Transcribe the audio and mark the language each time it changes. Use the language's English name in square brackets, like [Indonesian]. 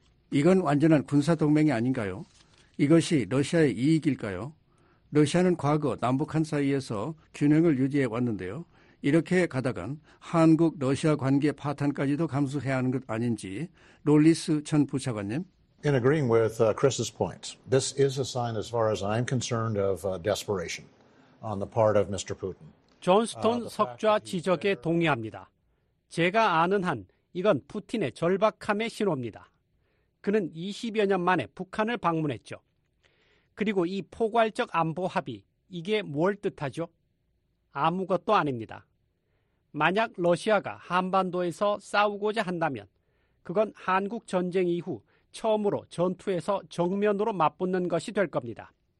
[Korean] 이건 완전한 군사동맹이 아닌가요? 이것이 러시아의 이익일까요? 러시아는 과거 남북한 사이에서 균형을 유지해 왔는데요. 이렇게 가다간 한국 러시아 관계 파탄까지도 감수해야 하는 것 아닌지 롤리스 전 부차관님. [English] In agreeing with Chris's point, this is a sign, as far as I'm concerned, of desperation on the part of Mr. Putin. [Korean] 존스톤 석좌 지적에 동의합니다. 제가 아는 한 이건 푸틴의 절박함의 신호입니다. 그는 20여 년 만에 북한을 방문했죠. 그리고 이 포괄적 안보 합의, 이게 뭘 뜻하죠? 아무것도 아닙니다. 만약 러시아가 한반도에서 싸우고자 한다면 그건 한국 전쟁 이후 처음으로 전투에서 정면으로 맞붙는 것이 될 겁니다.